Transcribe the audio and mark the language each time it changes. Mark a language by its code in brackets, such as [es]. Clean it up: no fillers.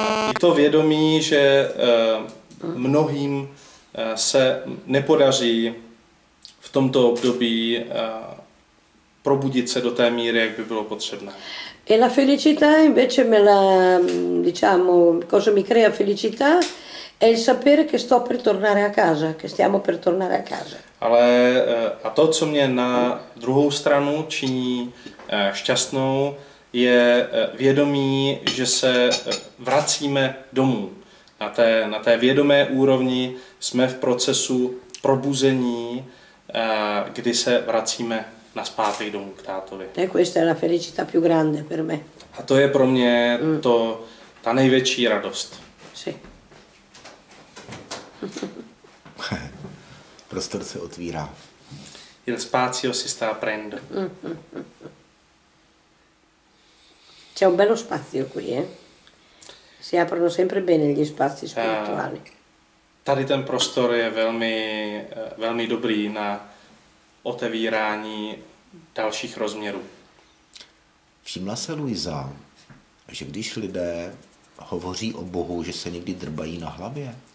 [cs] I to vědomí, že mnohým se nepodaří v tomto období probudit se do té míry, jak by bylo potřebné. [it] E la felicità invece me la, diciamo, cosa mi crea felicità è il sapere che sto per tornare a casa, che stiamo per tornare a casa. [cs] Ale a to, co mě na druhou stranu činí šťastnou, je vědomí, že se vracíme domů. Na té vědomé úrovni jsme v procesu probuzení, kdy se vracíme na zpátek domů k tátovi. [it] E questa è la felicità più grande per me. [cs] A to je pro mě to ta největší radost. [it] Sì. [cs] Prostor se otvírá. [it] Il spazio si sta aprendo. C'è un bello spazio qui, eh? Si aprono sempre bene gli spazi spirituali. [cs] Tady ten prostor je velmi, velmi dobrý na otevírání dalších rozměrů. Všimla se Luisa, že když lidé hovoří o Bohu, že se někdy drbají na hlavě?